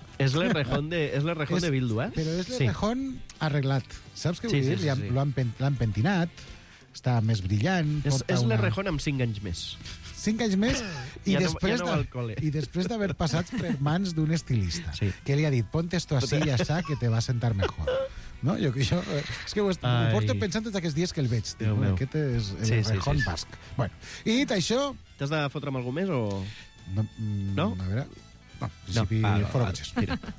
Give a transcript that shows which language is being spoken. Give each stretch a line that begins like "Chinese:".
Catalan: És l'Errejón de Bildu, eh? Però és l'Errejón arreglat. Saps què vull dir? Sí. L'han pentinat, està més brillant... És l'Errejón amb 5 anys més. 5 anys més i després d'haver passat per mans d'un estilista. Sí. Que li ha dit,
Spanish: ponte esto así y así que te va a sentar mejor.
Catalan: No, jo és que ho porto pensant tots aquests dies que el veig. Déu meu. Aquest és l'Errejón basc. Bueno, i dit això... T'has de fotre amb algú més o...? No? No? A veure... No, si no. Fora cotxes. Mira.